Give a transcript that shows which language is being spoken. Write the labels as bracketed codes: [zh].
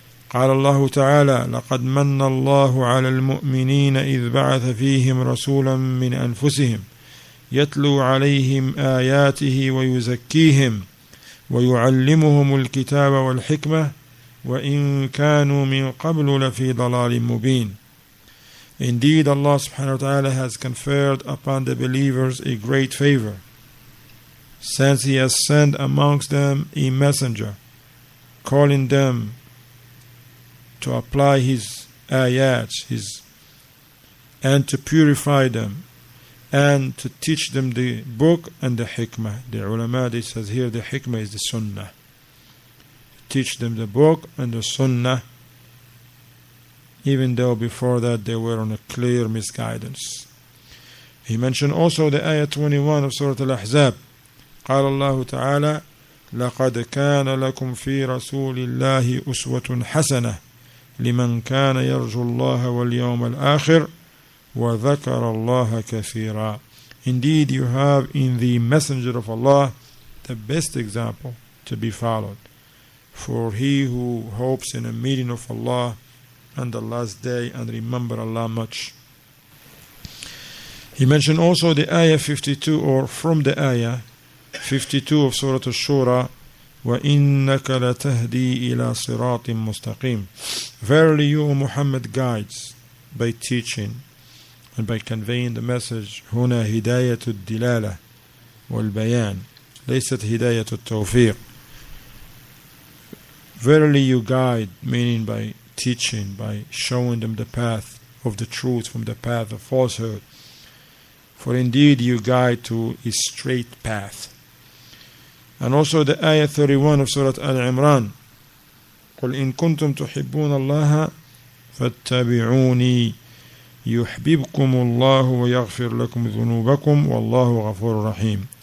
[ar] قال الله تعالى لقد من الله على المؤمنين إذ بعث فيهم رسولا من أنفسهم يتلو عليهم آياته ويزكيهم ويعلمهم الكتاب والحكمة وَإِن كَانُوا مِن قَبْلُ لَفِي ضَلَالٍ مُبِينٍ. [en] Indeed, Allah subhanahu wa ta'ala has conferred upon the believers a great favor, since He has sent amongst them a messenger, calling them to apply His ayat, His, and to purify them, and to teach them the book and the hikmah. The ulama, they says here, the hikmah is the sunnah. Teach them the book and the sunnah, even though before that they were on a clear misguidance. He mentioned also the ayah 21 of Surah Al-Ahzab. [ar] قال الله تعالى لقد كان لكم في رسول الله أسوة حسنة لمن كان يرجو الله واليوم الآخر وذكر الله كثيرا. [en] Indeed, you have in the Messenger of Allah the best example to be followed. For he who hopes in a meeting of Allah and the last day and remember Allah much. He mentioned also the ayah 52, or from the ayah 52 of Surah Ash-Shura, [ar] وإنك لتهدي إلى صراط مستقيم. [en] Verily you, Muhammad, guides by teaching and by conveying the message. [ar] هنا هداية الدلالة والبيان ليست هداية التوفيق. [en] Verily you guide, meaning by teaching, by showing them the path of the truth from the path of falsehood. For indeed you guide to a straight path. And also the ayah 31 of Surah Al-Imran. [ar] قُلْ إِن كُنْتُمْ تُحِبُّونَ اللَّهَ فَاتَّبِعُونِي يُحْبِبْكُمُ اللَّهُ وَيَغْفِرْ لَكُمْ ذُنُوبَكُمْ وَاللَّهُ غَفُورٌ رَحِيمٌ.